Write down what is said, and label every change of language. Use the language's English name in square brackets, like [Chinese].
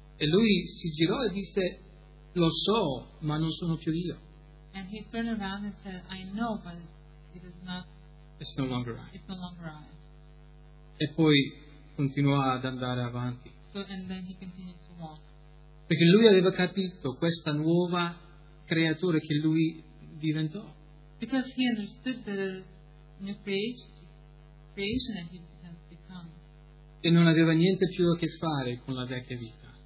[Italian] E lui si girò e disse, lo so, ma non sono più io. [English] And he turned around and said, I know, but it is not. It's no longer I. It's no longer I. [Italian] E poi continuò ad andare avanti. [English] So, and then he continued to walk. [Italian] Perché lui aveva capito questa nuova creatura che lui diventò. [English] Because he understood the new creation that he has become. [Italian] E non aveva niente più a che fare con la vecchia vita.